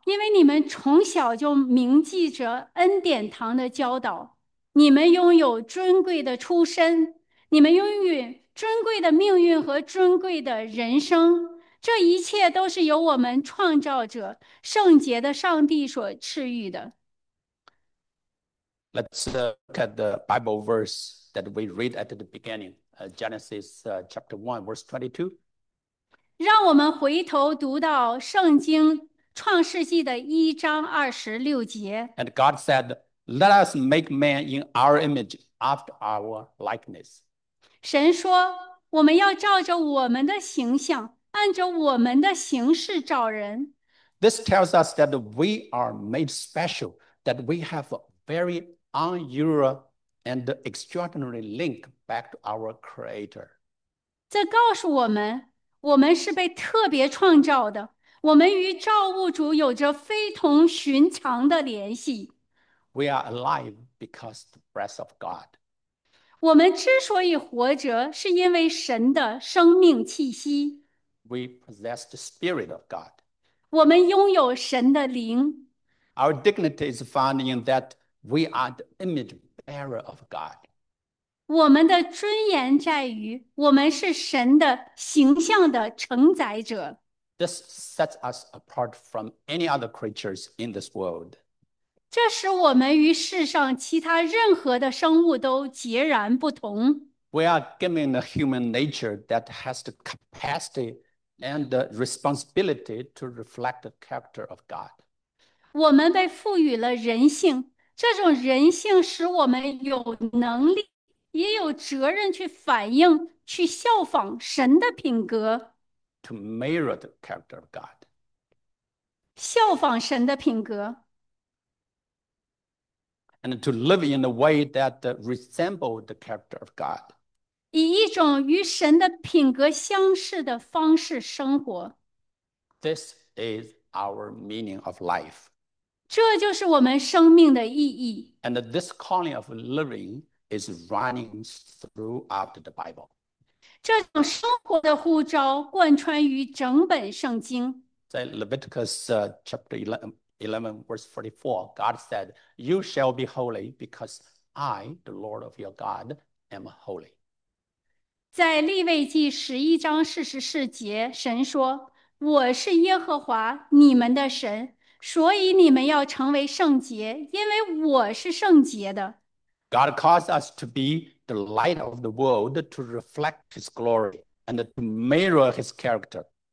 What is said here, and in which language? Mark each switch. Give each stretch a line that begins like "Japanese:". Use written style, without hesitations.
Chinese: 因为你们从小就铭记着恩典堂的教导，你们拥有尊贵的出身，你们拥有尊贵的命运和尊贵的人生，这一切都是由我们创造者、圣洁的上帝所赐予的。
English: Let's look at the Bible verse that we read at the beginning. Genesis chapter 1, verse 22.
Chinese: 让我们回头读到圣经。创世纪的1章26节，
English: And God said, "Let us make man in our image, after our likeness."
Chinese: 神说：“我们要照着我们的形象，按着我们的形式造人。
English: This tells us that we are made special, that we have a very unusual and extraordinary link back to our Creator.
Chinese: ”这告诉我们，我们是被特别创造的。我们与造物主有着非同寻常的联系。
English: We are alive because the breath of God.
Chinese: 我们之所以活着，是因为神的生命气息。
English: We possess the Spirit of God.
Chinese: 我们拥有神的灵。
English: Our dignity is found in that we are the image bearer of God.
Chinese: 我们的尊严在于，我们是神的形象的承载者。
English: This sets us apart from any other creatures in this world.
Chinese: 这使我们与世上其他任何的生物都截然不同。
English: We are given a human nature that has the capacity and the responsibility to reflect the character of God.
Chinese: 我们被赋予了人性，这种人性使我们有能力，也有责任去反映、去效仿神的品格，
English: To mirror the character of God.
Chinese: 效仿神的品格。
English: And to live in a way that resembles the character of God.
Chinese: 以一种与神的品格相似的方式生活，
English: This is our meaning of life.
Chinese: 这就是我们生命的意义。
English: And this calling of living is running throughout the Bible.
Chinese: 这种生活的呼召贯穿于整本圣经。
English: In Leviticus chapter 11, verse 44, God said, "You shall be holy because I, the Lord of your God, am holy."
Chinese: 在利未记11:44，神说：“我是耶和华你们的神，所以你们要成为圣洁，因为我是圣洁的。”
English: God caused us to be the light of the world to reflect His glory and to mirror His character.